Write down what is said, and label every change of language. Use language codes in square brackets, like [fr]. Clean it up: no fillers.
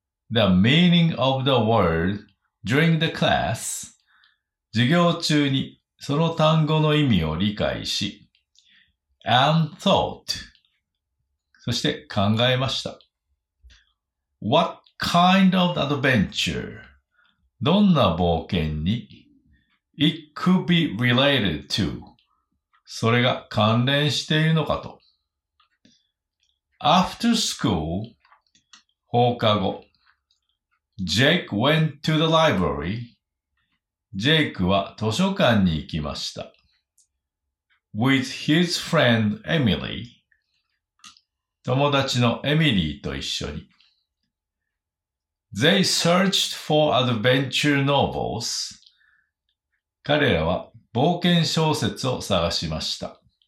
[en] The meaning of the word during the class, [ja] 授業中にその単語の意味を理解し、 [en] and thought、 [ja] そして考えました。 [en] What kind of adventure? [ja] どんな冒険に [en] ?It could be related to. [ja] それが関連しているのかと。 [en] After school, [ja] 放課後、 [en] Jake went to the library. [ja] ジェイクは図書館に行きました。 [en] With his friend Emily [ja] 友達のエミリーと一緒に。 [en] They searched for adventure novels [ja] 彼らは冒険小説を探しました。